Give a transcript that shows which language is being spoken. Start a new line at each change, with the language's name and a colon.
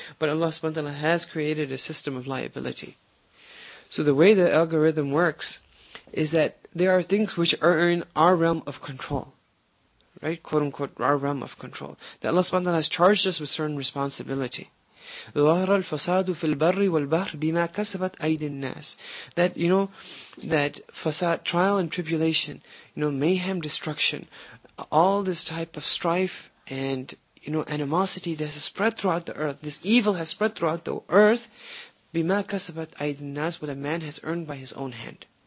English: But Allah subhanahu wa ta'ala has created a system of liability. So the way the algorithm works is that there are things which are in our realm of control. Right, quote unquote, our realm of control. That Allah subhanahu wa ta'ala has charged us with certain responsibility.
Arabic: ظهر الفساد في البر والبحر بما كسبت أيدي الناس.
English: That, you know, that fasad, trial and tribulation, you know, mayhem, destruction, all this type of strife and, you know, animosity that has spread throughout the earth, this evil has spread throughout the earth,
Arabic: بما كسبت أيدي الناس,
English: what a man has earned by his own hand.